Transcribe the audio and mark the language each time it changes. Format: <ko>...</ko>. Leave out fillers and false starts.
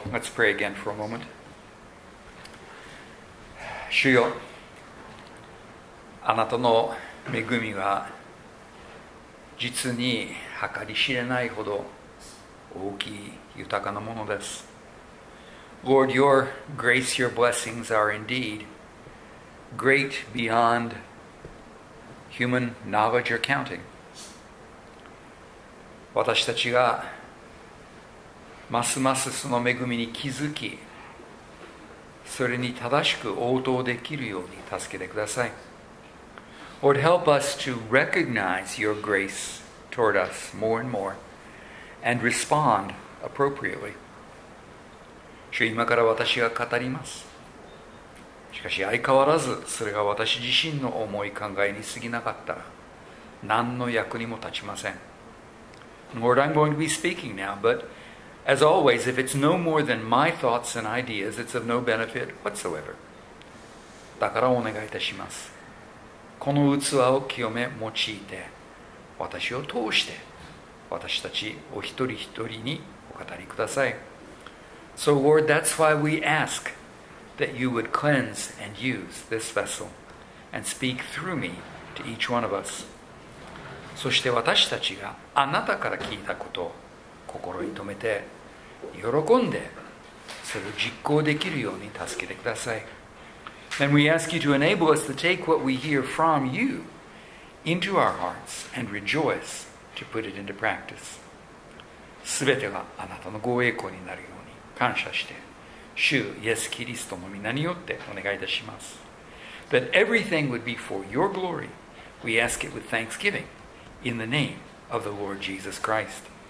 <en>Let's pray again for a moment.</en> <ja>主よ、あなたの恵みは実に計り知れないほど大きい豊かなものです。</ja> <en>Lord, your grace, your blessings are indeed great beyond human knowledge or counting.</en> <ja>私たちがますますその恵みに気づき、それに正しく応答できるように助けてください。</ja> <en>Lord, help us to recognize your grace toward us more and more and respond appropriately.</en> <ja>主、今から私が語ります。しかし相変わらずそれが私自身の思い考えに過ぎなかったら何の役にも立ちません。</ja> <en>Lord, I'm going to be speaking now, butAs always, if it's no more than my thoughts and ideas, it's of no benefit whatsoever.</en> <ja>だからお願いいたします。この器を清め用いて、私を通して、私たちお一人一人にお語りください。</ja> <en>So Lord, that's why we ask that you would cleanse and use this vessel and speak through me to each one of us.</en> <ja>そして私たちがあなたから聞いたことを心に留めて喜んでそれを実行できるように助けてください。</ja> <en>And we ask you to enable us to take what we hear from you into our hearts and rejoice to put it into practice.</en> <ja>すべてがあなたのご栄光になるように感謝して、主イエスキリストの御名によってお願いいたします。</ja> <en>That everything would be for your glory, we ask it with thanksgiving in the name of the Lord Jesus Christ.</en>